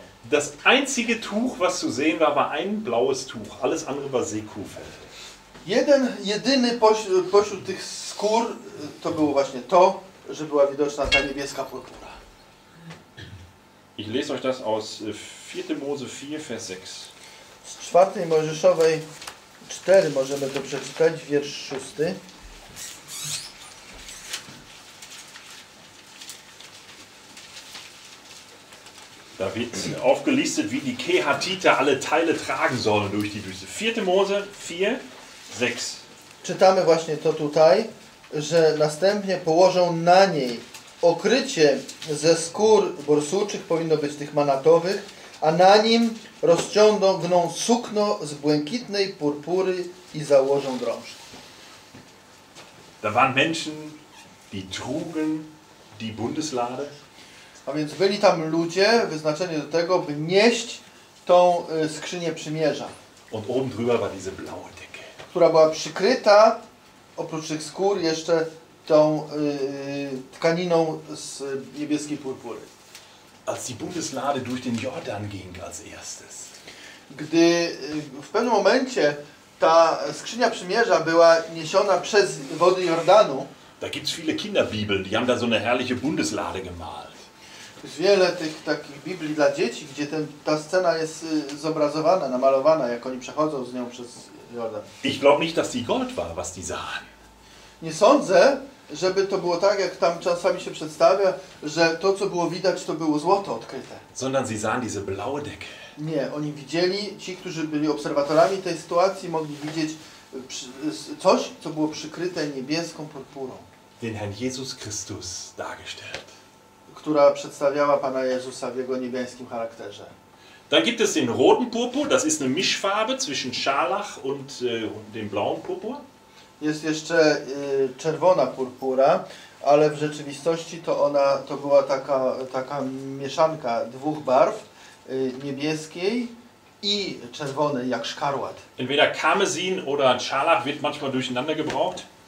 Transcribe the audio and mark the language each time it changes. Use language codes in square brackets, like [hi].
[de] Das einzige Tuch, was zu sehen war, war ein blaues Tuch. Alles andere war Seekuhfell. [pl] Jedyny pośród tych skór to było właśnie to, że była widoczna ta niebieska purpura. [de] Ich lese euch das aus 4. Mose 4, Vers 6. [pl] Z 4. Mojżeszowej 4 możemy to przeczytać, wiersz 6. [de] Da wird aufgelistet, wie die Kehatite alle Teile tragen sollen durch die Wüste. 4. Mose 4, 6. [pl] Czytamy właśnie to tutaj, że następnie położą na niej okrycie ze skór borsuczych, powinno być tych manatowych, a na nim rozciągną sukno z błękitnej purpury i założą drążki. [de] Da waren Menschen, die trugen die Bundeslade. [pl] A więc byli tam ludzie wyznaczeni do tego, by nieść tą skrzynię przymierza. [de] Und oben drüber war diese blaue Decke. [pl] Która była przykryta, oprócz tych skór, jeszcze tą tkaniną z niebieskiej purpury. [de] Als die Bundeslade durch den Jordan ging als erstes. [pl] Gdy w pewnym momencie ta skrzynia przymierza była niesiona przez wody Jordanu. [de] Da gibt's viele Kinderbibeln, die haben da so eine herrliche Bundeslade gemalt. [pl] Jest wiele tych takich Biblii dla dzieci, gdzie ta scena jest zobrazowana, namalowana, jak oni przechodzą z nią przez Jordan. [de] Ich glaube nicht, dass die Gold war, was die sahen. [pl] Nie sądzę, żeby to było tak, jak tam czasami się przedstawia, że to, co było widać, to było złoto odkryte. [de] Sondern sie sahen diese blaue Decke. [pl] Nie, oni widzieli, ci, którzy byli obserwatorami tej sytuacji, mogli widzieć coś, co było przykryte niebieską purpurą. [de] Den Herrn Jesus Christus dargestellt. [pl] Która przedstawiała Pana Jezusa w jego niebieskim charakterze. [de] Dann gibt es den roten Purpur, das ist eine Mischfarbe zwischen Scharlach und dem blauen Purpur. [pl] Jest jeszcze czerwona purpura, ale w rzeczywistości to ona to była taka mieszanka dwóch barw, niebieskiej i czerwonej, jak szkarłat. [de] Entweder Karmesin oder Scharlach wird manchmal durcheinander gebraucht.